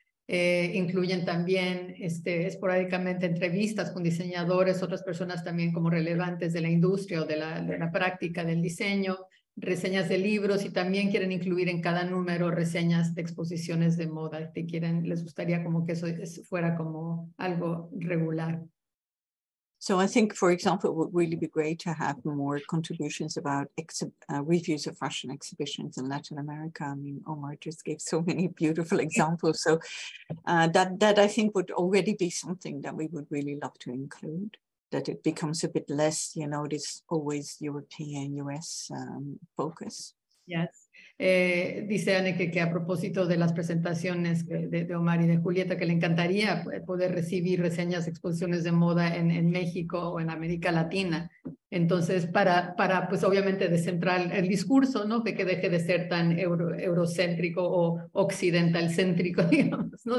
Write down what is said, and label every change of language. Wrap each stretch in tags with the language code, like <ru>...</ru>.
<es>Incluyen también esporádicamente entrevistas con diseñadores, otras personas también como relevantes de la industria o de la práctica del diseño, reseñas de libros, y también quieren incluir en cada número reseñas de exposiciones de moda. Les gustaría como que eso fuera como algo regular.</es> <en>So I think, for example, it would really be great to have more contributions about reviews of fashion exhibitions in Latin America. I mean, Omar just gave so many beautiful examples. So that I think would already be something that we would really love to include, that it becomes a bit less, this always European, US focus. Yes.</en> <es>Dice Anneke que a propósito de las presentaciones de Omar y de Julieta, que le encantaría poder recibir reseñas, exposiciones de moda en México o en América Latina. Entonces, para pues obviamente descentrar el discurso, ¿no? De que deje de ser tan eurocéntrico o occidentalcéntrico, digamos, ¿no?</es>